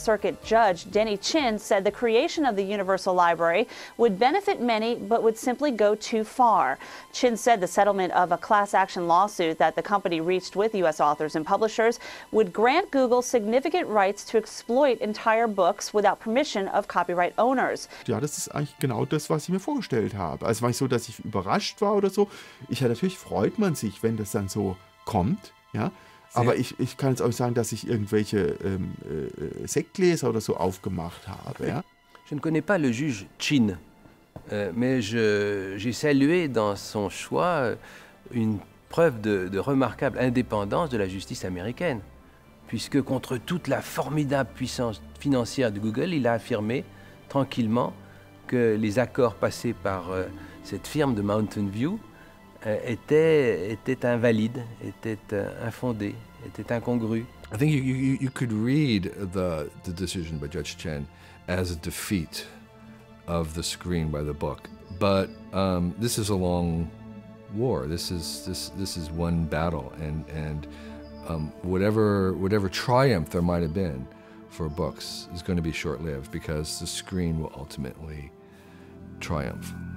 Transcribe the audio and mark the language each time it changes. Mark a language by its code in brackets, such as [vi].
[en] Circuit Judge Denny Chin said the creation of the Universal Library would benefit many, but would simply go too far. Chin said the settlement of a class action lawsuit that the company reached with U.S. authors and publishers would grant Google significant rights to exploit entire books without permission of copyright owners. [de] Ja, das ist eigentlich genau das, was ich mir vorgestellt habe. Also war ich so, dass ich überrascht war oder so. Ich ja, natürlich freut man sich, wenn das dann so kommt, ja. Aber ich kann jetzt auch sagen, dass ich irgendwelche Sektgläser oder so aufgemacht habe. Ja? [fr] Je ne connais pas le juge Chin, mais j'ai salué dans son choix une preuve de remarquable indépendance de la justice américaine, puisque contre toute la formidable puissance financière de Google, il a affirmé tranquillement que les accords passés par cette firme de Mountain View était invalide, était infondé, était incongru. [en] I think you could read the decision by Judge Chin as a defeat of the screen by the book. But this is a long war. This is one battle, and whatever triumph there might have been for books is going to be short-lived because the screen will ultimately triumph.